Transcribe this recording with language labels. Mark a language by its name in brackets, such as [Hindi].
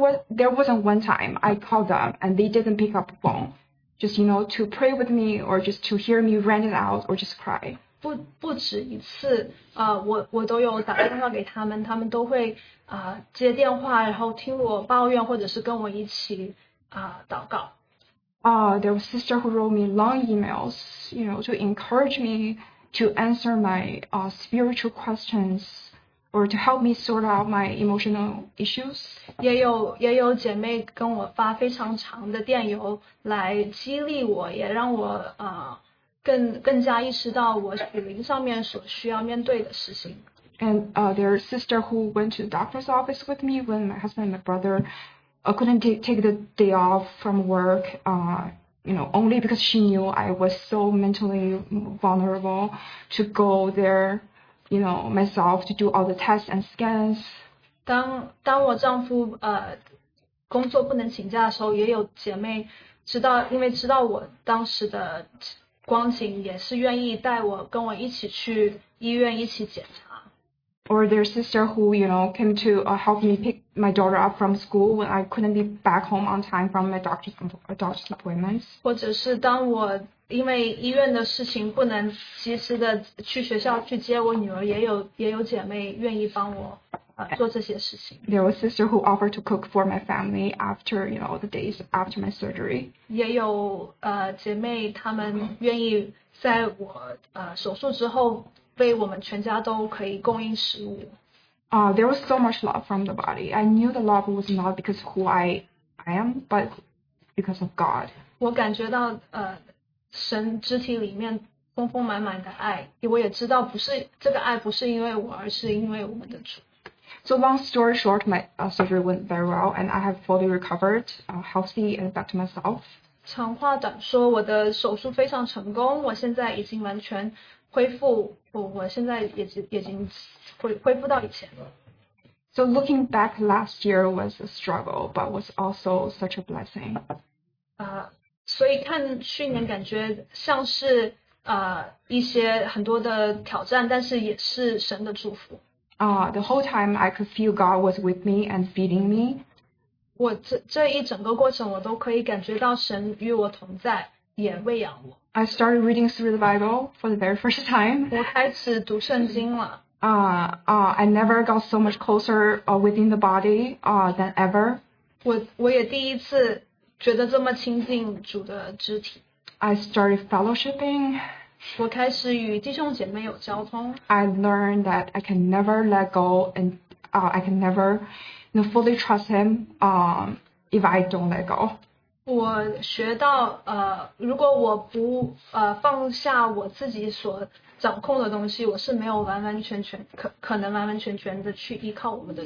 [English] There wasn't one time I called them and they didn't pick up phone, just you know to pray with me or just to hear me rant it out or just cry. [Chinese] 不止一次，我都有打电话给他们，他们都会接电话，然后听我抱怨或者是跟我一起祷告。 [English] There was a sister who wrote me long emails, you know, to encourage me to answer my spiritual questions. Or to help me sort out my emotional issues. [Chinese] 也有姐妹跟我发非常长的电邮来激励我，也让我更加意识到我属灵上面所需要面对的事情。 [English] And there's a sister who went to the doctor's office with me when my husband and my brother couldn't take the day off from work. You know, only because she knew I was so mentally vulnerable to go there. You know myself to do all the tests and scans. [Chinese] 当我丈夫工作不能请假的时候，也有姐妹知道，因为知道我当时的光景，也是愿意带我跟我一起去医院一起检查。 [English] Or their sister who you know came to help me pick my daughter up from school when I couldn't be back home on time from my doctor's appointments. [Chinese] 或者是当我因为医院的事情不能及时的去学校去接我女儿，也有姐妹愿意帮我做这些事情。 [English] There was a sister who offered to cook for my family after you know the days after my surgery. [Chinese] 也有姐妹她们愿意在我手术之后为我们全家都可以供应食物。 [English] There was so much love from the body. I knew the love was not because who I am, but because of God. [Chinese] 我感觉到神肢体里面丰丰满满的爱，我也知道不是这个爱不是因为我，而是因为我们的主。 [English] So long story short, my surgery went very well, and I have fully recovered, healthy and back to myself. [Chinese] 长话短说，我的手术非常成功，我现在已经完全恢复，我现在已经恢复到以前了。 [English] So So looking back, last year was a struggle, but was also such a blessing. [Chinese] 所以看去年感觉像是一些很多的挑战，但是也是神的祝福。 [English] The whole time I could feel God was with me and feeding me. [Chinese] 我这一整个过程我都可以感觉到神与我同在，也喂养我。 [English] I started reading through the Bible for the very first time. [Chinese] 我开始读圣经了。 [English] I never got so much closer within the body than ever. [Chinese] 我也第一次觉得这么亲近主的肢体。 [English] I started fellowshipping. [Chinese] 我开始与弟兄姐妹有交通。 [English] I learned that I can never let go and I can never fully trust him if I don't let go. [Chinese] 我学到如果我不放下我自己所掌控的东西，我是没有完完全全可能完完全全的去依靠我们的。